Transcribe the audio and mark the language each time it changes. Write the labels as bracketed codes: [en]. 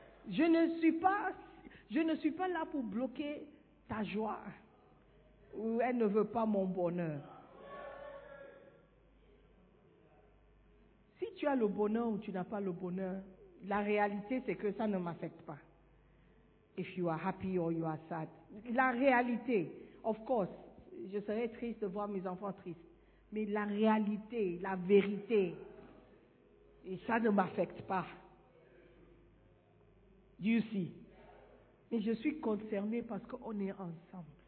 [fr] Je ne suis pas là pour bloquer ta joie. Ou elle ne veut pas mon bonheur. Si tu as le bonheur ou tu n'as pas le bonheur, la réalité c'est que ça ne m'affecte pas. [en] If you are happy or you are sad. [fr] La réalité, of course, je serais triste de voir mes enfants tristes. Mais la réalité, la vérité, et ça ne m'affecte pas. [en] Do you see? [fr] Mais je suis concernée parce qu'on est ensemble.